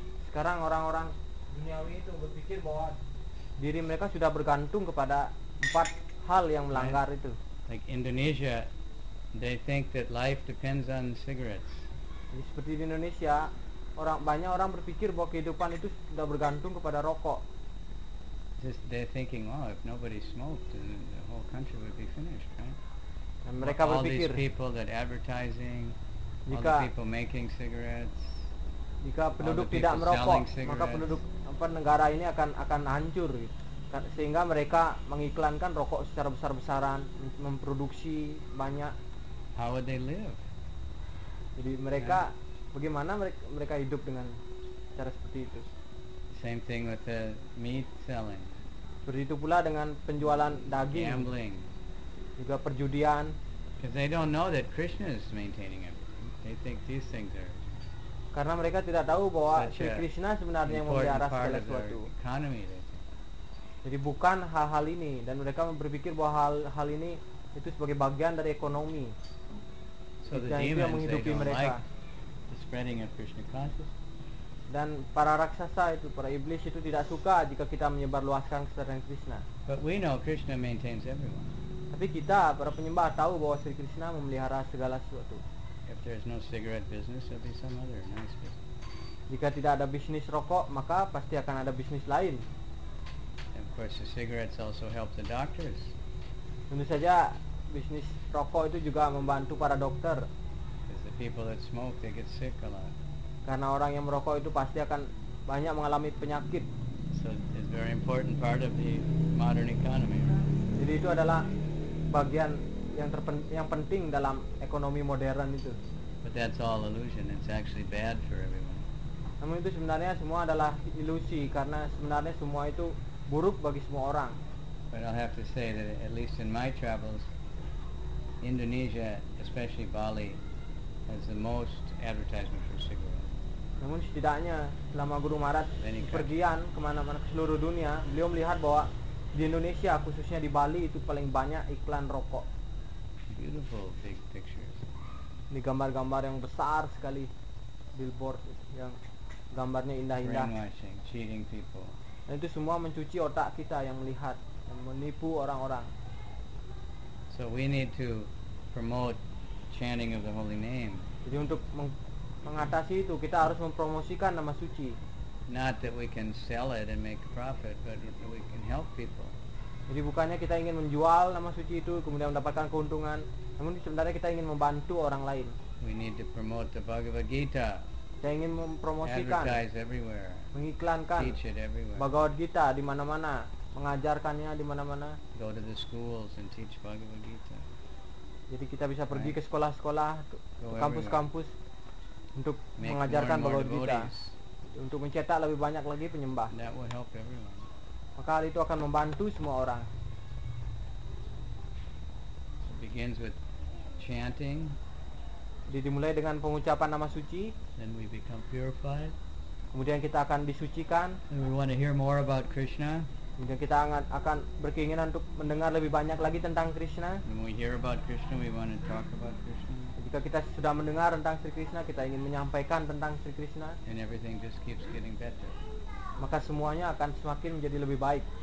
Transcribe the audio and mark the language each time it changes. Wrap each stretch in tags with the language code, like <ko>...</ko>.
<id>Sekarang orang-orang duniawi itu berpikir bahwa diri mereka sudah bergantung kepada empat hal yang melanggar itu.</id> <en>Like Indonesia, they think that life depends on cigarettes.</en> <id>Jadi seperti di Indonesia, banyak orang berpikir bahwa kehidupan itu sudah bergantung kepada rokok.</id> <en>Just they're thinking, oh, if nobody smoked, the whole country would be finished, right?</en> <id>Dan mereka</id> <en>all</en> <id>berpikir.</id> <en>All these people that advertising, jika, all the people making cigarettes,</en> <id>jika penduduk tidak merokok, maka penduduk apa negara ini akan hancur. Gitu. Sehingga mereka mengiklankan rokok secara besar-besaran, memproduksi banyak.</id> <en>How would they live?</en> <id>Jadi mereka, bagaimana mereka hidup dengan cara seperti itu?</id> <en>Same thing with the meat selling.</en> <id>Begitu pula dengan penjualan daging.</id> <en>Gambling.</en> <id>Juga perjudian.</id> <en>Because they don't know that Krishna is maintaining everything. They think these things are.</en> <id>Karena mereka tidak tahu bahwa Sri Krishna sebenarnya yang memelihara segala sesuatu.</id> <en>Economy.</en> <id>Jadi bukan hal-hal ini dan mereka berpikir bahwa hal-hal ini itu sebagai bagian dari ekonomi.</id> <en>So</en> <id>dan</id> <en>the</en> <id>itu yang menghidupi mereka.</id> <en>Like the spreading of Krishna consciousness.</en> <id>Dan para raksasa itu, para iblis itu tidak suka jika kita menyebarluaskan kesadaran Krishna.</id> <en>But we know Krishna maintains everyone.</en> <id>Tapi kita para penyembah tahu bahwa Sri Krishna memelihara segala sesuatu.</id> <en>If there is no cigarette business, there'll be some other nice business.</en> <id>Jika tidak ada bisnis rokok, maka pasti akan ada bisnis lain.</id> <en>Of course, the cigarettes also help the doctors.</en> <id>Tentu saja, bisnis rokok itu juga membantu para dokter.</id> <en>Because the people that smoke, they get sick a lot.</en> <id>Karena orang yang merokok itu pasti akan banyak mengalami penyakit.</id> <en>So it's a very important part of the modern economy.</en> <id>Jadi itu adalah bagian yang penting dalam ekonomi modern itu.</id> <en>But that's all illusion. It's actually bad for everyone.</en> <id>Namun itu sebenarnya semua adalah ilusi karena sebenarnya semua itu buruk bagi semua orang.</id> <en>But I'll have to say that at least in my travels, Indonesia, especially Bali, has the most advertisement for cigarettes.</en> <id>Namun setidaknya selama Guru Marat pergian kemana-mana ke seluruh dunia, beliau melihat bahwa di Indonesia, khususnya di Bali, itu paling banyak iklan rokok.</id> <en>Beautiful big pictures.</en> <id>Ini gambar-gambar yang besar sekali, billboard yang gambarnya indah-indah.</id> <en>Brainwashing, cheating people.</en> <id>Dan itu semua mencuci otak kita yang melihat yang menipu orang-orang.</id> <en>So we need to promote chanting of the holy name.</en> <id>Jadi untuk mengatasi itu kita harus mempromosikan nama suci.</id> <en>Not that we can sell it and make a profit, but that we can help people.</en> <id>Jadi bukannya kita ingin menjual nama suci itu kemudian mendapatkan keuntungan, namun sebenarnya kita ingin membantu orang lain.</id> <en>We need to promote the Bhagavad Gita.</en> <id>Kita ingin mempromosikan, mengiklankan Bhagavad Gita di mana-mana, mengajarkannya di mana-mana.</id> <en>Go to the schools and teach Bhagavad Gita.</en> <id>Jadi kita bisa pergi ke sekolah-sekolah, ke kampus-kampus</id> <en>everywhere.</en> <id>Untuk</id> <en>make</en> <id>mengajarkan</id> <en>more and more</en> <id>Bhagavad Gita, untuk mencetak lebih banyak lagi penyembah.</id> <en>That will help everyone.</en> <id>maka hal itu akan membantu semua orang.</id> <en>So it begins with chanting.</en> <id>Jadi dimulai dengan pengucapan nama suci.</id> <en>Then we become purified.</en> <id>Kemudian kita akan disucikan.</id> <en>And we want to hear more about Krishna.</en> <id>Kemudian kita akan berkeinginan untuk mendengar lebih banyak lagi tentang Krishna.</id> <en>When we hear about Krishna, we want to talk about Krishna.</en> <id>Jika kita sudah mendengar tentang Sri Krishna, kita ingin menyampaikan tentang Sri Krishna.</id> <en>And everything just keeps getting better.</en> <id>Maka semuanya akan semakin menjadi lebih baik.</id>